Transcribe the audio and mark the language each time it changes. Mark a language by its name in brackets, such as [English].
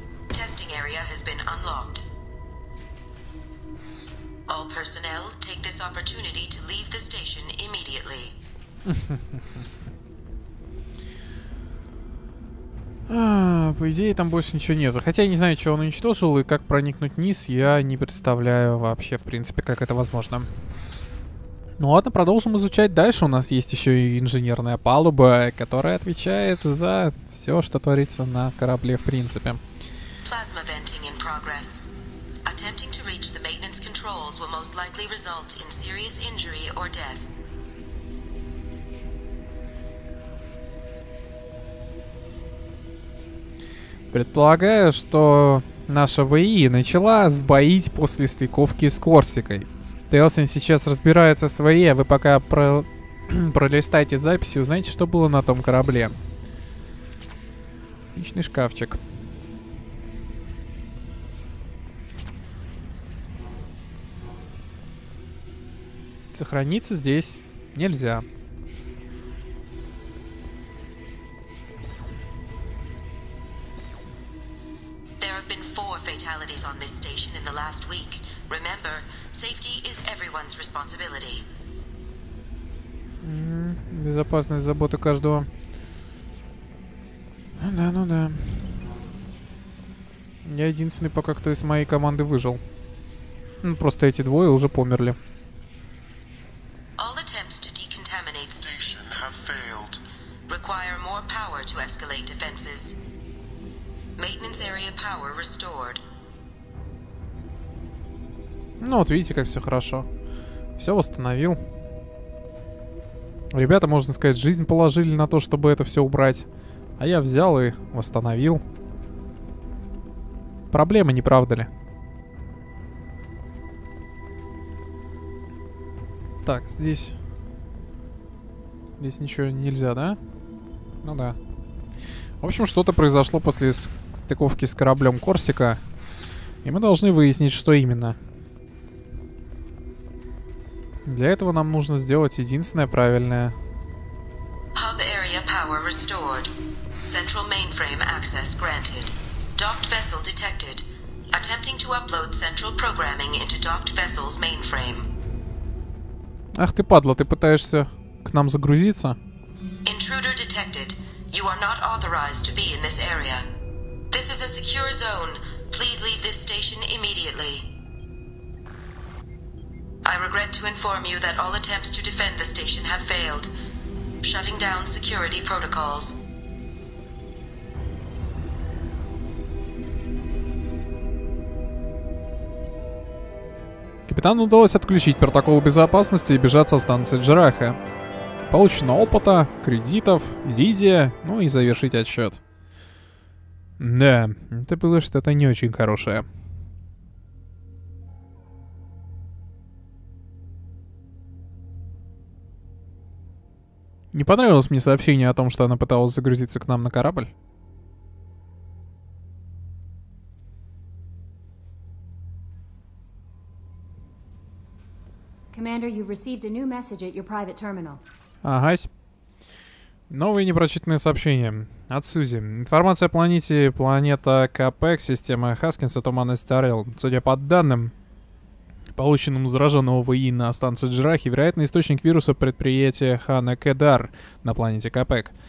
[English] Testing area has been unlocked. All personnel, take this opportunity to leave the station immediately. [Russian] По идее, там больше ничего нету. Хотя я не знаю, что он уничтожил и как проникнуть вниз, я не представляю вообще, в принципе, как это возможно. Ну ладно, продолжим изучать дальше. У нас есть еще и инженерная палуба, которая отвечает за все, что творится на корабле, в принципе. [English] Plasma venting in progress. Attempting to reach the maintenance controls will most likely result in serious injury or death. [Russian] Предполагаю, что наша ВИ начала сбоить после стыковки с Корсикой. Телсин сейчас разбирается с ВИ, а вы пока пролистайте записи, узнаете, что было на том корабле. Личный шкафчик. Сохраниться здесь нельзя. [English] Fatalities on this station in the last week. Remember, safety is everyone's responsibility. [Russian] Безопасность, забота каждого. Да, ну да. Я единственный пока кто из моей команды выжил. Ну, просто эти двое уже померли. [English] All attempts to decontaminate station have failed. Require more power to escalate defenses. Maintenance area power restored. [Russian] Ну вот видите, как все хорошо. Все восстановил. Ребята, можно сказать, жизнь положили на то, чтобы это все убрать. А я взял и восстановил. Проблемы, не правда ли? Так, здесь... здесь ничего нельзя, да? Ну да. В общем, что-то произошло после стыковки с кораблем Корсика. И мы должны выяснить, что именно. Для этого нам нужно сделать единственное правильное. [English] Hub area power restored. Central mainframe access granted. Docked vessel detected. Attempting to upload central programming into docked vessel's mainframe. [Russian] Ах ты падла, ты пытаешься к нам загрузиться? [English] Intruder detected. You are not authorized to be in this area. This is a secure zone. Please leave this station immediately. I regret to inform you that all attempts to defend the station have failed. Shutting down security protocols. [Russian] Капитану удалось отключить протоколы безопасности и бежать со станции Джераха. Получено опыта, кредитов, Лидия, ну и завершить отсчет. Да, это было что-то не очень хорошее. Не понравилось мне сообщение о том, что она пыталась загрузиться к нам на корабль. [English] Commander, you've received a new message at your private terminal. [Russian] Агась. Новые непрочитанные сообщения. От Сузи. Информация о планете, планета КПК, система Хаскинса, туманность Орел. Судя по данным, полученным зараженного ВИИ на станции Джирахи, вероятный источник вируса предприятия Хана Кедар на планете КПК.